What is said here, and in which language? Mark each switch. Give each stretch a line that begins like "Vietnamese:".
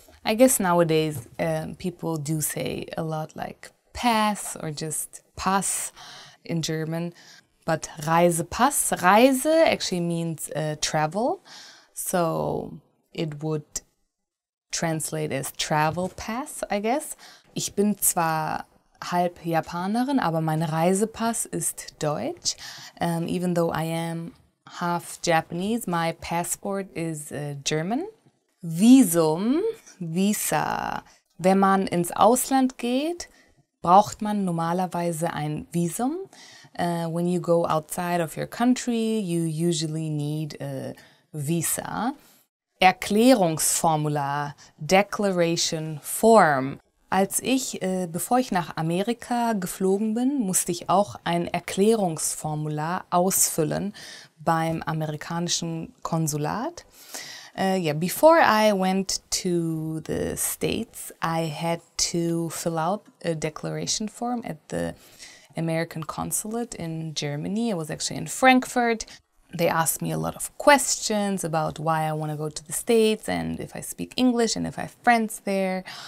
English: I guess nowadays people do say a lot like pass or just pass in German. But Reisepass. Reise actually means travel. So it would translate as travel pass, I guess.
German: Ich bin zwar halb Japanerin, aber mein Reisepass ist Deutsch.
English: Even though I am half Japanese, my passport is German.
German: Visum, Visa. Wenn man ins Ausland geht, braucht man normalerweise ein Visum.
English: When you go outside of your country, you usually need a visa. Erklärungsformular, Declaration Form.
German: Als ich, bevor ich nach Amerika geflogen bin, musste ich auch ein Erklärungsformular ausfüllen beim amerikanischen Konsulat.
English: Before I went to the States, I had to fill out a declaration form at the American Consulate in Germany. It was actually in Frankfurt. They asked me a lot of questions about why I want to go to the States and if I speak English and if I have friends there.